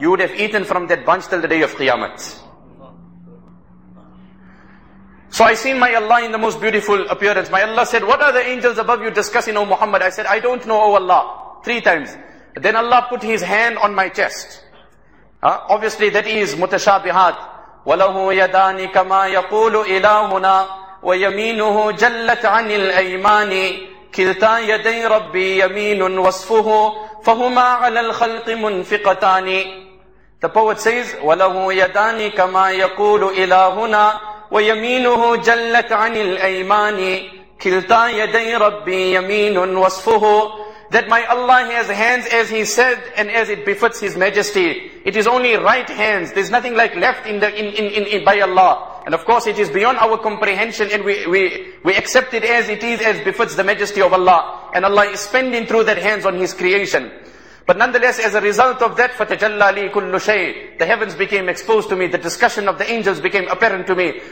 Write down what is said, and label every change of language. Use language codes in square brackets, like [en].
[en] You would have eaten from that branch till the day of Qiyamah. So I seen my Allah in the most beautiful appearance. My Allah said, what are the angels above you discussing, O Muhammad? I said, I don't know, O Allah. Three times. Then Allah put his hand on my chest. Obviously, that is mutashabihat. [ar] وَلَهُ يَدَانِ كَمَا يَقُولُ إِلَهُنَا. ويمينه جلت عن الأيمان كلتا يدي ربي يمين وصفه فهما على الخلق منفقتان. [en] The poet says, [ar] وله يدان كما يقول إلهنا ويمينه جلت عن الأيمان كلتا يدي ربي يمين وصفه. [en] That my Allah, he has hands as he said and as it befits his majesty. It is only right hands. There's nothing like left in the in by Allah. And of course it is beyond our comprehension, and we accept it as it is, as befits the majesty of Allah. And Allah is spending through that hands on his creation. But nonetheless, as a result of that, [ar] فَتَجَلَّى لِي كُلُّ شَيْءٍ, [en] the heavens became exposed to me, the discussion of the angels became apparent to me.